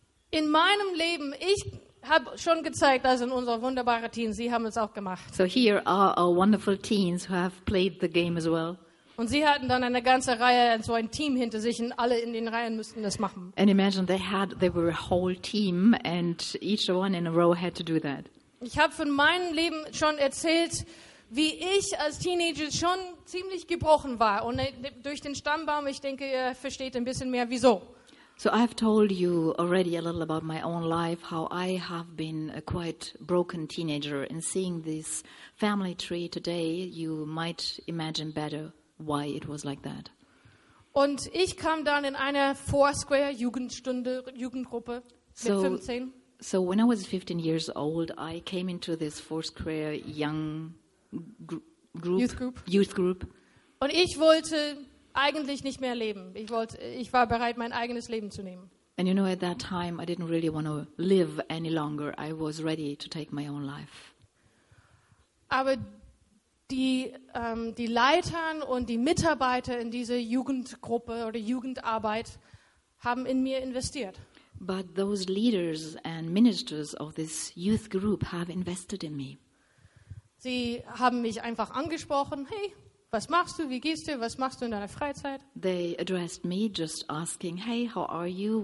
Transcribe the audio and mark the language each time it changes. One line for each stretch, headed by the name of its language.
German: In meinem Leben, ich habe schon gezeigt, das sind unsere wunderbaren Teens. Sie haben es auch gemacht.
English: So here are our wonderful teens who have played the game as well.
German: Und sie hatten dann eine ganze Reihe, so ein Team hinter sich, und alle in den Reihen müssten das machen.
English: And imagine they were a whole team, and each one in a row had to do that.
German: Ich habe von meinem Leben schon erzählt, wie ich als Teenager schon ziemlich gebrochen war. Und durch den Stammbaum, ich denke, ihr versteht ein bisschen mehr, wieso.
English: So I've told you already a little about my own life, how I have been a quite broken teenager. And seeing this family tree today, you might imagine better why it was like that.
German: Und ich kam dann in eine Foursquare Jugendstunde, Jugendgruppe mit 15.
English: So when I was 15 years old, I came into this Foursquare young group. Youth group.
German: Und ich wollte eigentlich nicht mehr leben. Ich war bereit, mein eigenes Leben zu nehmen.
English: And you know, at that time, I didn't really want to live any longer. I was ready to take my own life.
German: Aber die Leitern und die Mitarbeiter in dieser Jugendgruppe oder Jugendarbeit haben in mir investiert.
English: But those leaders and ministers of this youth group have invested in me.
German: Sie haben mich einfach angesprochen. Hey, was machst du? Wie gehst du? Was machst du in deiner Freizeit?
English: They addressed me just asking, hey, how are you?